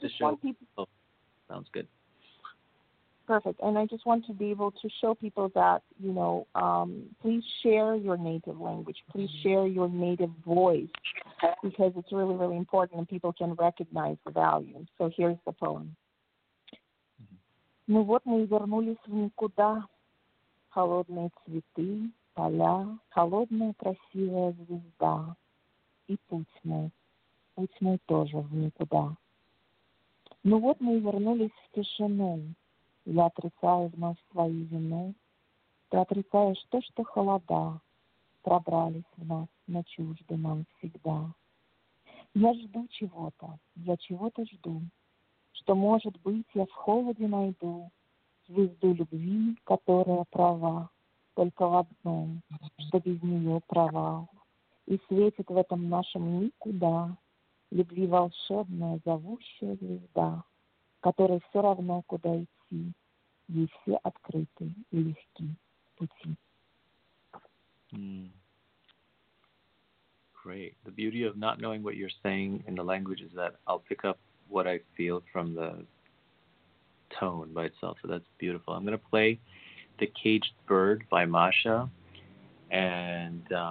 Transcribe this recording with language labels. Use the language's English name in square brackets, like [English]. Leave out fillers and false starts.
[English] the show. Sounds good. Perfect. And I just want to be able to show people that, you know, please share your native language. Please share your native voice, because it's really, really important and people can recognize the value. So here's the poem. [Russian] Ну вот мы и вернулись в никуда. Холодные цветы, поля, холодная красивая звезда. И путь мой тоже в никуда. Ну вот мы и вернулись в тишину. Я отрицаю вновь твою вину. Ты отрицаешь то, что холода пробрались в нас на чужды нам всегда. Я жду чего-то, я чего-то жду, что, может быть, я в холоде найду звезду любви, которая права только в одном, что без нее провал. И светит в этом нашем никуда любви волшебная зовущая звезда, которой все равно, куда идти, и все открыты и легки пути. [English] Great. The beauty of not knowing what you're saying in the language is that I'll pick up what I feel from the tone by itself. So that's beautiful. I'm going to play The Caged Bird by Masha. And